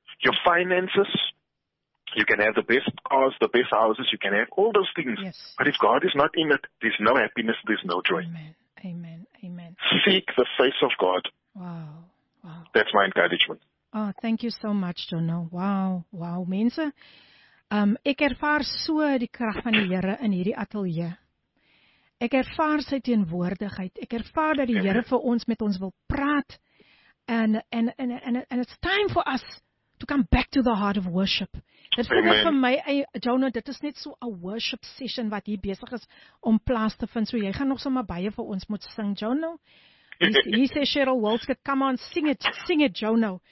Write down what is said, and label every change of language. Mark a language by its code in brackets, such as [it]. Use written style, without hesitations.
[en] Your finances, you can have the best cars, the best houses, you can have all those things. Yes. But if God is not in it, there's no happiness, there's no joy. Amen. Seek the face of God. Wow. That's my encouragement. Oh, thank you so much, Jono. Wow, mense. [af] Ek ervaar so die krag van die Here in hierdie ateljee. Ek ervaar sy teenwoordigheid. Ek ervaar dat die Here vir ons met ons wil praat. [en] And it's time for us to come back to the heart of worship. [af] Dit voel net vir my, Jono, dit is net so [en] a worship session [af] wat hier besig is om plaas te vind. So jy gaan nog sommer baie vir ons moet sing, Jono. [en] He says, Cheryl Wolskit, come on, sing it, Jono.